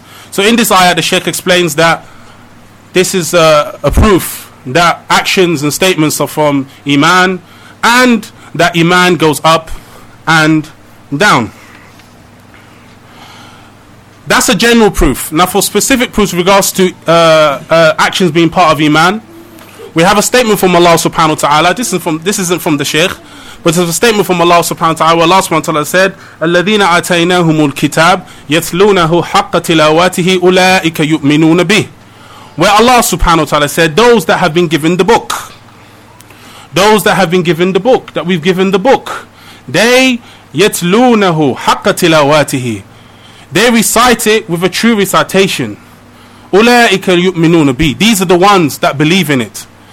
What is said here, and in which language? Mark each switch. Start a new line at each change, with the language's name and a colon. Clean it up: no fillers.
English: So in this ayah, the Shaykh explains that this is a proof that actions and statements are from iman, and that iman goes up and down. That's a general proof. Now for specific proofs with regards to actions being part of iman, we have a statement from Allah subhanahu wa ta'ala. This isn't from the Shaykh, but it's a statement from Allah subhanahu wa ta'ala. Allah subhanahu wa ta'ala said,
Arabic: الَّذِينَ عَتَيْنَاهُمُ الْكِتَابِ يَتْلُونَهُ حَقَّ تِلَاوَاتِهِ أُولَٰئِكَ يُؤْمِنُونَ بِهِ
English: where Allah subhanahu wa ta'ala said, those that have been given the book, those that have been given the book, that we've given the book, they yatlunahu haqqa tilawatihi, they recite it with a true recitation. Ulaika yu'minuna bi, these are the ones that believe in it.